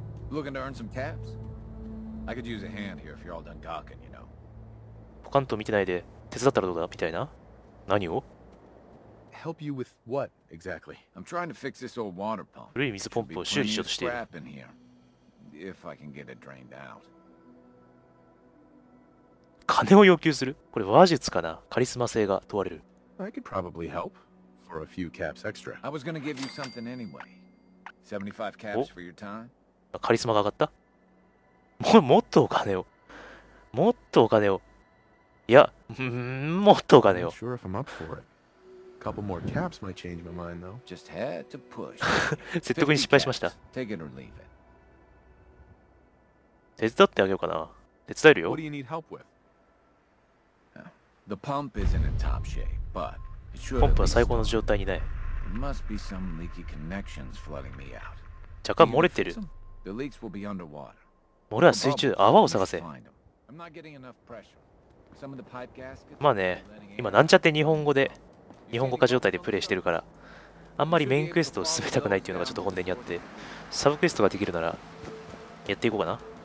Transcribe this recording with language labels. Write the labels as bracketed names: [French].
[English] Looking to earn some caps? I could use a hand here if you're all done gawking, you know. [Japanese] ポカンと見てないで手伝ったらどうだみたいな。何を？ [English] Help you with what exactly? I'm trying to fix this old water pump. [Japanese] 古い水ポンプを修理しようとしている。 [English] If I can get it drained out. [Japanese] 金を要求する？これ話術かな？カリスマ性が問われる。 [English] I could probably help for a few caps extra. I was gonna give you something anyway. 75 caps for your time. [Japanese] カリスマが上がった？もっとお金を。もっとお金を。いや、もっとお金を。 [English] Sure if I'm up for it. Couple more caps might change my mind though. Just had to push. [Japanese] 説得に失敗しました。 [English] Take it or leave it. [Japanese] 手伝ってあげようかな。手伝えるよ。 [English] What do you need help with? The pump isn't in top shape. [Japanese] ポンプは最高の状態にない。若干漏れてる。漏れは水中で泡を探せ。まあね、今なんちゃって日本語で、日本語化状態でプレイしてるから、あんまりメインクエストを進めたくないっていうのがちょっと本音にあって、サブクエストができるならやっていこうかな。